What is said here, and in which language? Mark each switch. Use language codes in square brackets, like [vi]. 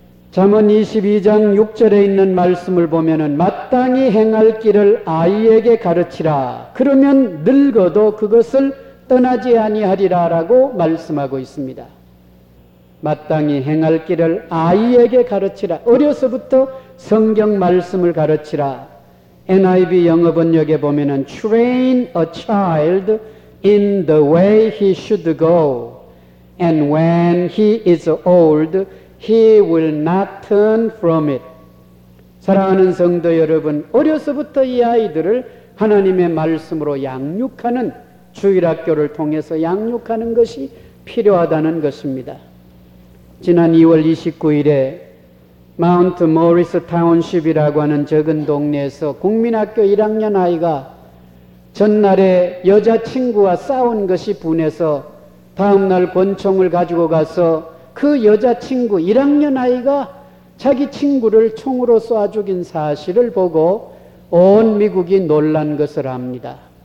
[ko] 잠언 22장 6절에 있는 말씀을 보면은 마땅히 행할 길을 아이에게 가르치라 그러면 늙어도 그것을 떠나지 아니하리라 라고 말씀하고 있습니다. 마땅히 행할 길을 아이에게 가르치라. 어려서부터 성경 말씀을 가르치라. [en] NIV [ko] 영어 번역에 보면은 [en] Train a child in the way he should go and when he is old he will not turn from it. [ko] 사랑하는 성도 여러분, 어려서부터 이 아이들을 하나님의 말씀으로 양육하는 주일학교를 통해서 양육하는 것이 필요하다는 것입니다. 지난 2월 29일에 마운트 모리스 타운십이라고 하는 적은 동네에서 국민학교 1학년 아이가 전날에 여자친구와 싸운 것이 분해서 다음날 권총을 가지고 가서 그 여자친구 1학년 아이가 자기 친구를 총으로 쏴 죽인 사실을 보고 온 미국이 놀란 것을 압니다.